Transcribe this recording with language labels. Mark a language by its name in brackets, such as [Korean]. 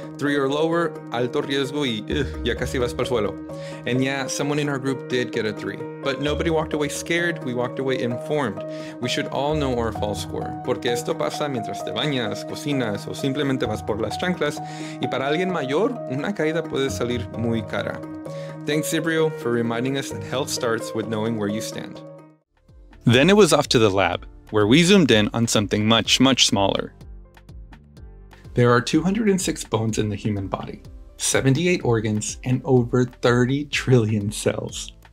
[English] 3 or lower, [Spanish] alto riesgo y ya casi vas para el suelo. [English] And yeah, someone in our group did get a 3. But nobody walked away scared, we walked away informed. We should all know our fall score. [Spanish] Porque esto pasa mientras te bañas, cocinas, o simplemente vas por las chanclas. Y para alguien mayor, una caída puede salir muy cara. [English] Thanks, Zibrio, for reminding us that health starts with knowing where you stand. Then it was off to the lab, where we zoomed in on something much, much smaller. There are 206 bones in the human body, 78 organs, and over 30 trillion cells.